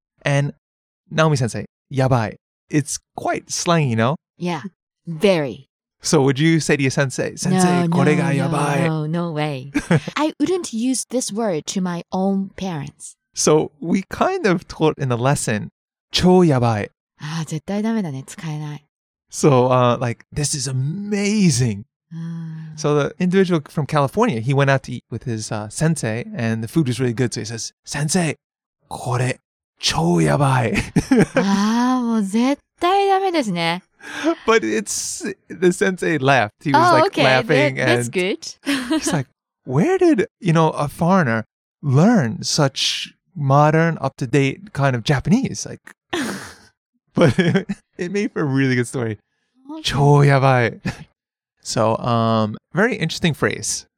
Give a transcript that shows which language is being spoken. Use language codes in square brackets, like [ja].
[en] And Naomi-sensei, yabai, it's quite slangy, you know? Yeah, very. So would you say to your sensei, [ja] これがやばい? [en] No way. I wouldn't use this word to my own parents. So we kind of taught in the lesson, [ja] 超やばい。ああ、絶対ダメだね、使えない。 [en] So like, this is amazing. So the individual from California, he went out to eat with his sensei and the food was really good. So he says, sensei, [ja] これ超やばい。ああ、もう絶対ダメですね。 [en] But the sensei laughed. He was laughing. That's good. He's like, where did, you know, a foreigner learn such modern, up-to-date kind of Japanese? Like, but it made for a really good story. Chou yabai. So, very interesting phrase.